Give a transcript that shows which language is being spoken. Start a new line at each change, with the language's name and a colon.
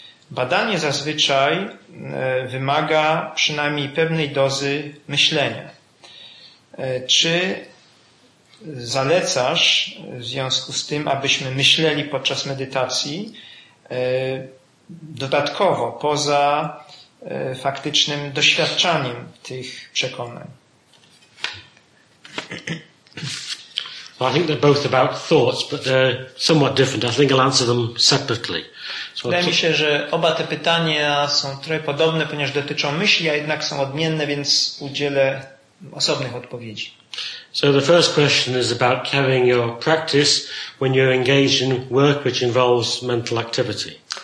Polish: Badanie zazwyczaj wymaga przynajmniej pewnej dozy myślenia. Czy zalecasz w związku z tym, abyśmy myśleli podczas medytacji dodatkowo, poza faktycznym doświadczaniem tych przekonań?
English: Well, I think they're both about thoughts, but they're somewhat different. I think I'll answer them separately.
Polish: Wydaje mi się, że oba te pytania są trochę podobne, ponieważ dotyczą myśli, a jednak są odmienne, więc udzielę osobnych odpowiedzi.
English: So the first question is about carrying your practice when you're engaged in work which involves mental activity.